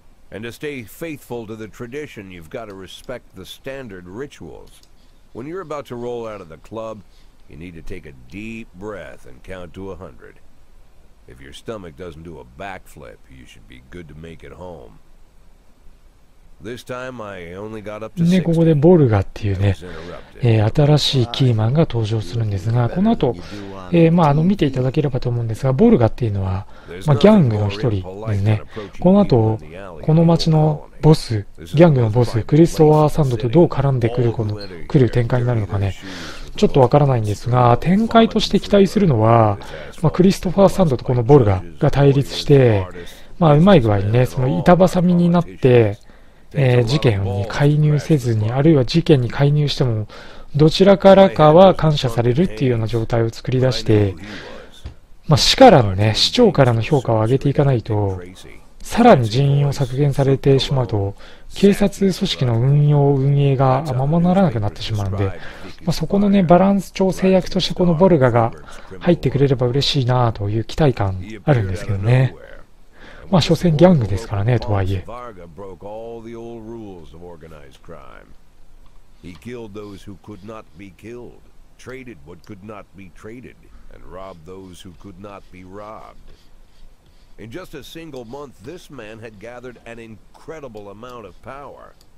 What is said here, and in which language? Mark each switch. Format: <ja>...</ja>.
<en>And to stay faithful to the tradition, you've gotta respect the standard rituals. When you're about to roll out of the club, you need to take a deep breath and count to 100. If your stomach doesn't do a backflip, you should be good to make it home. This time I only got up to 60.</en> <ja>ここでボルガっていうね、新しいキーマンが登場するんですが、この後、まあ、見ていただければと思うんですが、ボルガっていうのは、まあ、ギャングの一人ですね。この後、この街のボス、ギャングのボス、クリストファー・サンドとどう絡んでくる、来る展開になるのかね。ちょっとわからないんですが、展開として期待するのは、まあ、クリストファー・サンドとこのボルガが対立して、まあ、うまい具合にね、その板挟みになって、事件に介入せずに、あるいは事件に介入しても、どちらからかは感謝されるっていうような状態を作り出して、まあ、市からのね、市長からの評価を上げていかないと、さらに人員を削減されてしまうと、警察組織の運用、運営がままならなくなってしまうんで、まあ、そこのね、バランス調整役としてこのボルガが入ってくれれば嬉しいなという期待感あるんですけどね。まあ、所詮ギャングですからね、とはいえ。</ja> <en>バーガー broke all the old rules of organized crime. He killed those who could not be killed, traded what could not be traded, and robbed those who could not be robbed. In just a single month, this man had gathered an incredible amount of power.</en>